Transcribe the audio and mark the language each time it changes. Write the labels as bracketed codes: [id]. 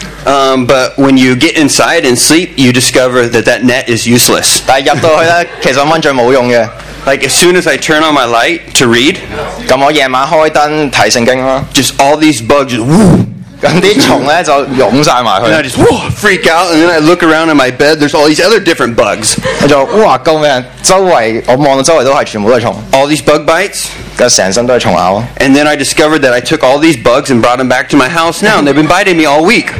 [en] But when you get inside and sleep, you discover that net is useless. [yue] 但入到去咧，其實蚊帳冇用嘅。 [en] Like as soon as I turn on my light to read, [yue] 咁我夜晚開燈睇聖經啦。 [en] Just all these bugs. Woo! [yue] 咁啲虫咧就涌晒埋去，然后我就 [en] freak out， and then I look around in my bed， there's all these other different bugs， [yue] 我就哇救命，周围我望到周围都系全部都系虫 [en] ，all these bug bites， [yue] 咁成身都系虫咬 [en] ，and then I discovered that I took all these bugs and brought them back to my house now， and they've been biting me all week，